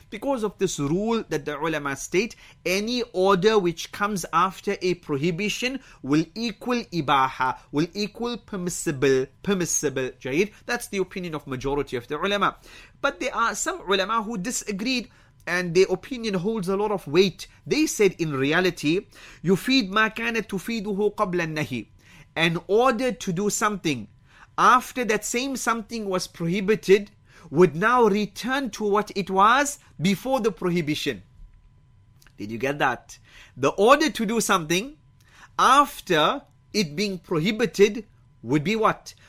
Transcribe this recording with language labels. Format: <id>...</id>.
<en>Because of this rule that the ulama state, any order which comes after a prohibition will equal ibaha, will equal permissible. Jayid. That's the opinion of majority of the ulama. But there are some ulama who disagreed. and their opinion holds a lot of weight. They said, in reality,</en> <ar>يُفِيد مَا كَانَتْ تُفِيدُهُ قَبْلَ النَّهِي.</ar> <en>An order to do something after that same something was prohibited would now return to what it was before the prohibition. Did you get that? The order to do something after it being prohibited would be what?</en>